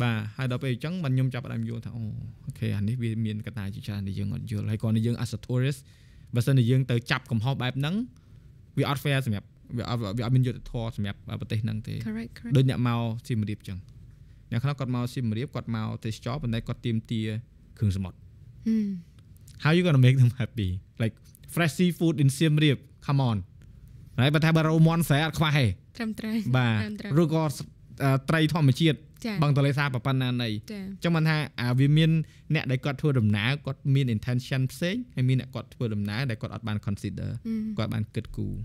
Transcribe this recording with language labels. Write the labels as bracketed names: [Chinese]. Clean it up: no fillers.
[Khmer] បាទហើយដល់ពេលអញ្ចឹងបានខ្ញុំចាប់ផ្ដើមយល់ថាអូអូខេអានេះវាមានកត្តាជាច្រើនដែលយើងអត់យល់ហើយគាត់នឹងយើង [English] as a tourist [Khmer] បើសិនជាយើងទៅចាប់កំហុសបែបហ្នឹងវាអត់ fair សម្រាប់វាអត់មានយុត្តិធម៌សម្រាប់ប្រទេសហ្នឹងទេដូចអ្នកមកសៀមរាបអញ្ចឹងអ្នកខ្លះគាត់មកសៀមរាបគាត់មកទេសចរប៉ុន្តែគាត់ទាមទារគ្រឿងសមុទ្រ [English] How you gonna make them happy? Like fresh seafood in Siem Reap. Come on. Right? [Khmer] But ថាបើរមន់ស្រែអត់ខ្វះទេ ត្រឹមត្រូវ បាទឬក៏ត្រីធម្មជាតិបឹងទន្លេសាបប៉ុណ្ណាណីអ ញ្ ចឹងមិនថាអាវាមានអ្នកដែលគាត់ធ្វើដំណើរគាត់មាន intention ផ្សេងហើយមានអ្នកគាត់ធ្វើដំណើរដែលគាត់អត់បាន consider គាត់បានគិតគូរ